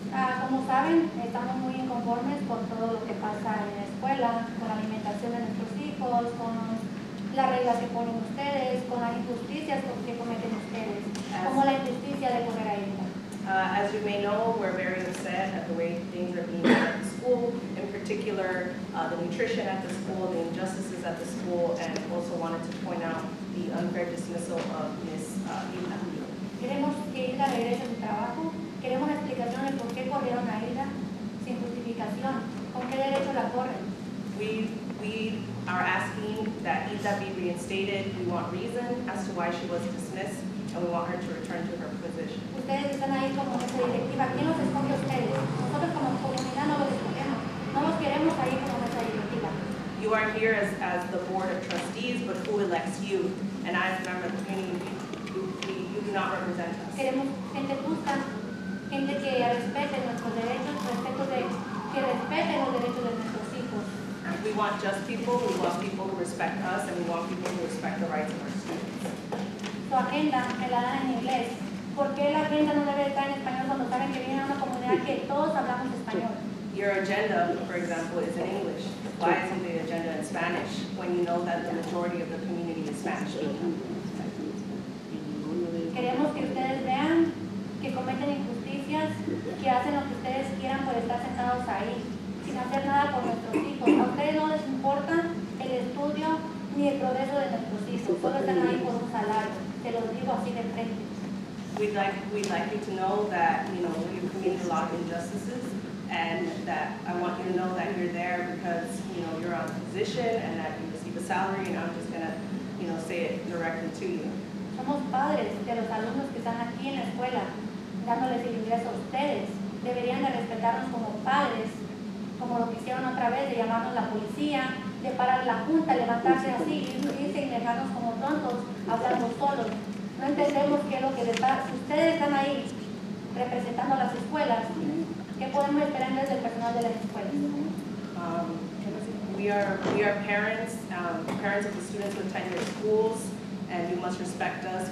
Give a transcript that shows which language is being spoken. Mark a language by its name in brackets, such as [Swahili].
[Spanish] Como saben, estamos muy inconformes con todo lo que pasa en la escuela, con la alimentación de nuestros hijos, con las reglas que ponen ustedes, con las injusticias que cometen ustedes, como la injusticia de correr a ella. [English] As you may know, we're very upset at the way things are being done at the school, in particular the nutrition at the school, the injustices at the school, and also wanted to point out the unfair dismissal of Ms. Hilda. [Spanish] Queremos que Hilda regrese a su trabajo. Queremos explicaciones por qué corrieron a Hilda sin justificación. ¿Con qué derecho la corren? [English] We are asking that Hilda be reinstated. We want reason as to why she was dismissed, and we want her to return to her position. [Spanish] Ustedes están ahí como mesa directiva. ¿Quién los escoge a ustedes? Nosotros como comunidad no los escogemos. No los queremos ahí como mesa directiva. [English] You are here as the board of trustees, but who elects you? And I remember the meeting. You do not represent us. [Spanish] Queremos gente justa, gente que respete nuestros derechos, respeto de que respete los derechos de nuestros hijos. [English] And we want just people. We want people who respect us, and we want people who respect the rights of our students. [Spanish] Su agenda me la dan en inglés. ¿Por qué la agenda no debe estar en español cuando saben que viene una comunidad que todos hablamos español? [English] Your agenda, for example, is in English. Why isn't the agenda in Spanish when you know that the majority of the community is Spanish speaking? [Spanish] Queremos que ustedes vean que cometen injusticias, que hacen lo que ustedes quieran por estar sentados ahí, sin hacer nada por nuestros hijos. A ustedes no les importa el estudio ni el progreso de nuestros hijos. Solo están ahí por un salario. Te lo digo así de frente. [English] We'd like you to know that, you know, you've committed a lot of injustices, and that I want you to know that you're there because, you know, you're on a position and that you receive a salary, and I'm just gonna, you know, say it directly to you. [Spanish] Somos padres de los alumnos que están aquí en la escuela, dándoles el ingreso a ustedes. Deberían de respetarnos como padres, como lo que hicieron otra vez, de llamarnos la policía, de parar la junta, levantarse así, y dicen dejarnos como tontos, hablamos solos. No entendemos qué es lo que les pasa. Si ustedes están ahí representando las escuelas, ¿qué podemos esperar desde el personal de las escuelas? [English] We are parents, parents of the students who attend your schools, and you must respect us.